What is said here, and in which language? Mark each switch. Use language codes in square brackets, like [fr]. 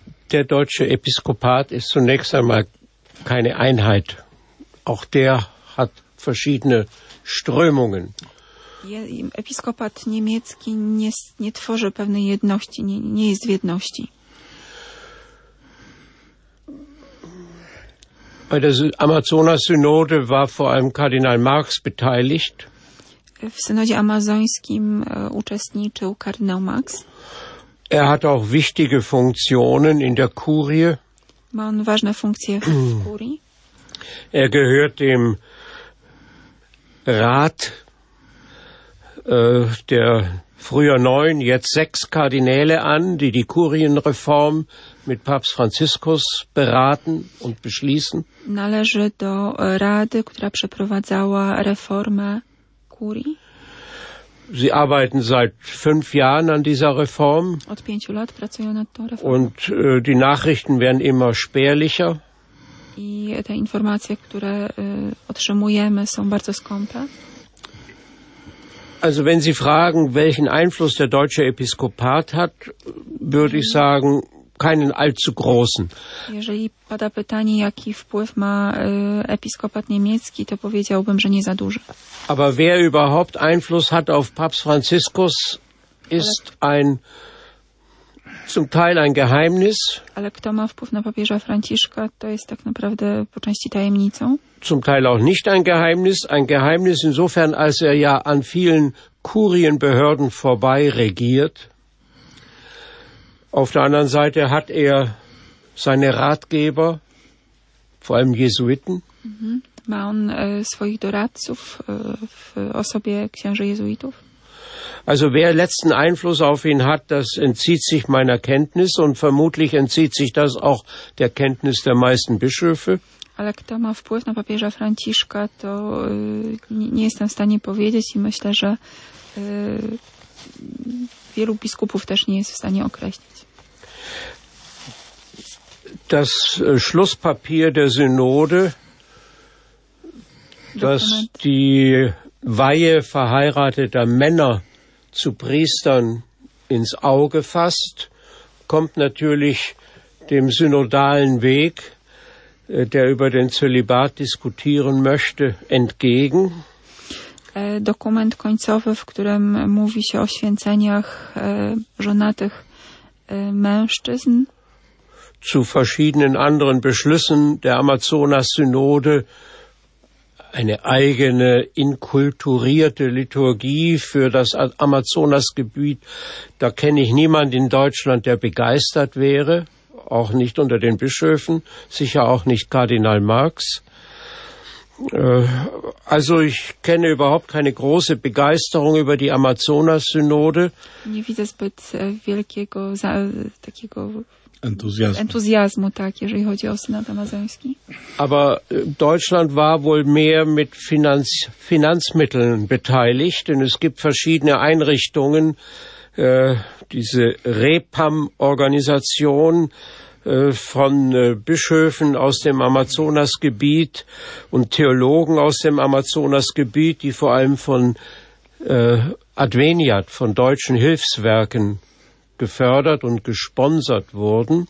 [de] Der deutsche Episkopat ist zunächst einmal keine Einheit. Auch der hat verschiedene Strömungen. [pl] Episkopat niemiecki nie tworzy pewnej jedności, nie jest w jedności. [de] Bei der Amazonas-Synode war vor allem Kardinal Marx beteiligt. [pl] W synodzie amazońskim uczestniczył kardynał Marx. [de] Er hat auch wichtige Funktionen in der Kurie. [pl] Ma on ważne funkcje w Kurii. [de] Er gehört dem Rat der früher 9, jetzt 6 Kardinäle an, die Kurienreform mit Papst Franziskus beraten und beschließen. [pl] Należy do Rady, która przeprowadzała reformę Kurii. [de] Sie arbeiten seit 5 Jahren an dieser Reform. [pl] Od 5 lat pracują nad tą reformą. [de] Und die Nachrichten werden immer spärlicher. [pl] I te informacje, które otrzymujemy, są bardzo skąpe. [de] Also wenn Sie fragen, welchen Einfluss der deutsche Episkopat hat, würde ich sagen, keinen allzu großen. [pl] Jeżeli pada pytanie, jaki wpływ ma episkopat niemiecki, to powiedziałbym, że nie za duży. [de] Aber wer überhaupt Einfluss hat auf Papst Franziskus, ist ein zum Teil ein Geheimnis. [pl] Ale kto ma wpływ na papieża Franciszka, to jest tak naprawdę po części tajemnicą. [de] Zum Teil auch nicht ein Geheimnis insofern, als er ja an vielen Kurienbehörden vorbei regiert. Auf der anderen Seite hat er seine Ratgeber, vor allem Jesuiten. [pl] Ma on swoich doradców w osobie księży Jesuitów. [de] Also wer letzten Einfluss auf ihn hat, das entzieht sich meiner Kenntnis und vermutlich entzieht sich das auch der Kenntnis der meisten Bischöfe. [pl] Ale kto ma wpływ na papieża Franciszka, to nie jestem w stanie powiedzieć i myślę, że wielu biskupów też nie jest w stanie określić. [de] Das Schlusspapier der Synode, das die Weihe verheirateter Männer zu Priestern ins Auge fasst, kommt natürlich dem synodalen Weg, der über den Zölibat diskutieren möchte, entgegen. [pl] Dokument końcowy, w którym mówi się o święceniach żonatych mężczyzn. [de] Zu verschiedenen anderen Beschlüssen der Amazonas-Synode eine eigene inkulturierte Liturgie für das Amazonasgebiet. Da kenne ich niemanden in Deutschland, der begeistert wäre, auch nicht unter den Bischöfen, sicher auch nicht Kardinal Marx. Also ich kenne überhaupt keine große Begeisterung über die Amazonas-Synode. [pl] Nie widzę zbyt wielkiego takiego entuzjazmu, tak, jeżeli chodzi o synod amazoński. [de] Aber Deutschland war wohl mehr mit Finanzmitteln beteiligt, denn es gibt verschiedene Einrichtungen, diese REPAM-Organisation von Bischöfen aus dem Amazonasgebiet und Theologen aus dem Amazonasgebiet, die vor allem von Adveniat, von deutschen Hilfswerken gefördert und gesponsert wurden.